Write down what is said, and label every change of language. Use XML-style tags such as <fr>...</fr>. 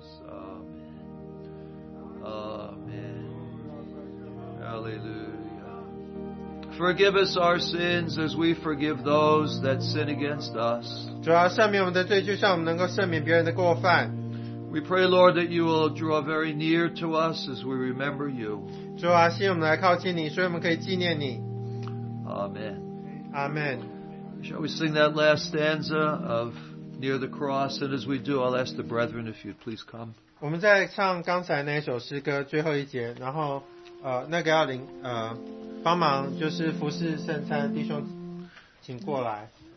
<en>Amen. Amen. Hallelujah. Forgive us our sins as we forgive those that sin against us.</en> <zh>主啊，赦免我们的罪，就像我们能够赦免别人的过犯。</zh> <en>We pray, Lord, that you will draw very near to us as we remember you.</en> <zh>主啊，希望我们来靠近你，所以我们可以纪念你。</zh> <en>Amen. Amen. Shall we sing that last stanza of Near the Cross? And as we do, I'll ask the brethren if you'd please come.</en> <zh>我们在唱刚才那首诗歌最后一节，然后那个要领帮忙就是服侍圣餐弟兄，请过来。</zh>